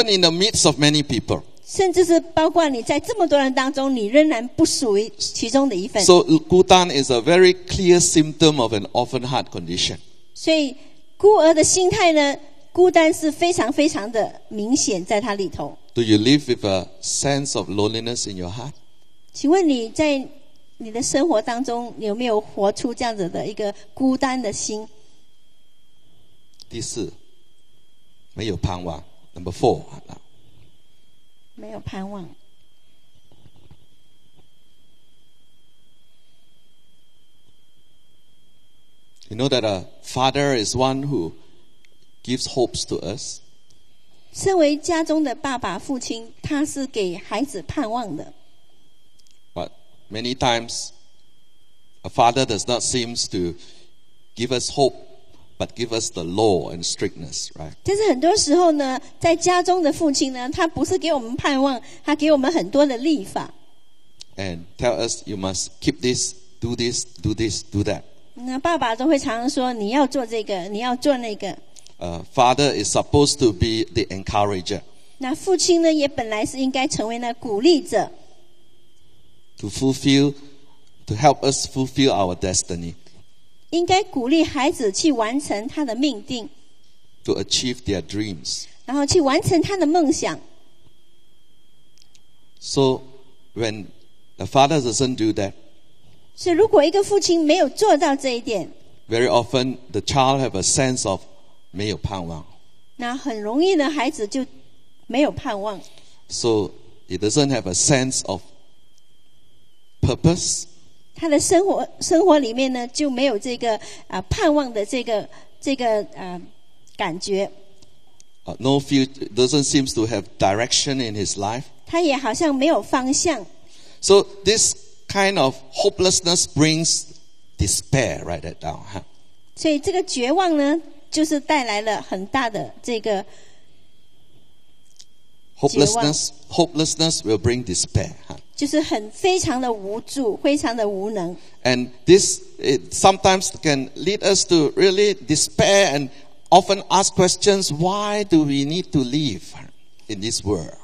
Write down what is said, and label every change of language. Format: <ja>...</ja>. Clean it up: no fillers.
<en>Even in the midst of many people，</en> <zh>甚至是包括你在这么多人当中，你仍然不属于其中的一份。</zh> <en>So 孤单 is a very clear symptom of an orphan heart condition。</en> <zh>所以孤儿的心态呢，孤单是非常非常的明显在它里头。</zh> <en>Do you live with a sense of loneliness in your heart？</en> <zh>请问你在你的生活当中有没有活出这样子的一个孤单的心？第四，没有盼望 ，</zh> <en>Number four，</en> <zh>没有盼望。</zh> <en>You know that a father is one who gives hopes to us.</en> <zh>身为家中的爸爸父亲，他是给孩子盼望的。</zh> <en>Many times, a father does not seem to give us hope, but give us the law and strictness, right?</en> <zh>但是很多时候呢，在家中的父亲呢，他不是给我们盼望，他给我们很多的律法。</zh> <en>And tell us you must keep this, do this, do this, do that.</en> <zh>那爸爸都会常常说，你要做这个，你要做那个。</zh> <en>Father is supposed to be the encourager.</en> <zh>那父亲呢，也本来是应该成为那鼓励者。</zh> <en>To help us fulfill our destiny.</en> <zh>应该鼓励孩子去完成他的命定。</zh> <en>To achieve their dreams.</en> <zh>然后去完成他的梦想。</zh> <en>So, when a father doesn't do that,</en> <zh>所以如果一个父亲没有做到这一点，</zh> <en>very often the child have a sense of</en> <zh>没有盼望。那很容易呢，孩子就没有盼望。</zh> <en>So, he doesn't have a sense of purpose，</en> <zh>他的生活里面呢就没有这个盼望的这个感觉。</zh> <en>No future doesn't seem to have direction in his life，</en> <zh>他也好像没有方向。</zh> <en>So this kind of hopelessness brings despair. Write that down, huh?</en> <zh>所以这个绝望呢，就是带来了很大的这个</zh> <en>hopelessness。 Hopelessness will bring despair, huh?</en> <zh>就是很非常的无助，非常的无能。</zh> <en>And this it sometimes can lead us to really despair and often ask questions, why do we need to live in this world?</en>